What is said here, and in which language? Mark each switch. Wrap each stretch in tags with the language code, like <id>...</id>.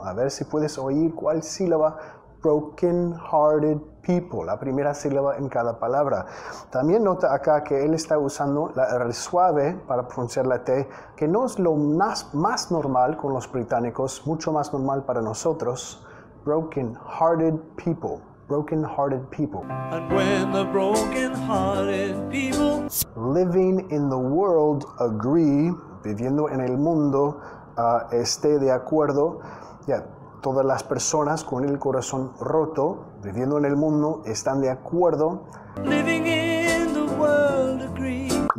<es>A ver si puedes oír cuál sílaba,</es> <en>broken-hearted people,</en> <es>la primera sílaba en cada palabra. También nota acá que él está usando la R suave para pronunciar la T, que no es lo más normal con los británicos, mucho más normal para nosotros,</es> <en>broken-hearted people. Broken-hearted people. And when the broken-hearted people living in the world agree,</en> <es>viviendo en el mundo, esté de acuerdo, yeah, todas las personas con el corazón roto, viviendo en el mundo, están de acuerdo.</es> <en>Living in the world agree.</en>